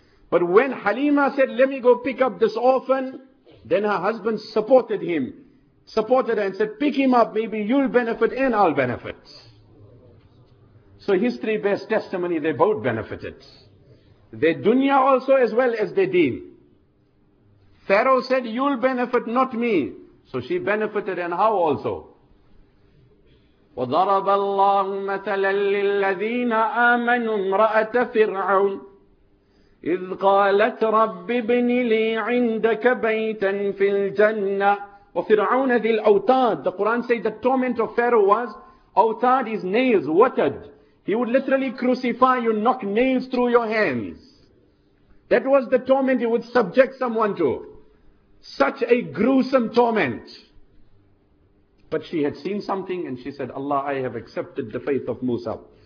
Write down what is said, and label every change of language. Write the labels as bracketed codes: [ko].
[en] But when Halima said, let me go pick up this orphan, then her husband supported him, supported her and said, pick him up, maybe you'll benefit and I'll benefit. So history bears testimony, they both benefited. Their dunya also as well as their deen. Pharaoh said, you'll benefit, not me. So she benefited and how also? [ar] وضرب الله مثلا للذين آمنوا امرأة فرعون إذ قالت رب ابن لي عندك بيتا في الجنة وفرعون ذي الأوتاد [en] The Quran says the torment of Pharaoh was أوتاد is nails, wattad. He would literally crucify you, knock nails through your hands. That was the torment he would subject someone to. Such a gruesome torment. But she had seen something and she said, Allah, I have accepted the faith of Musa.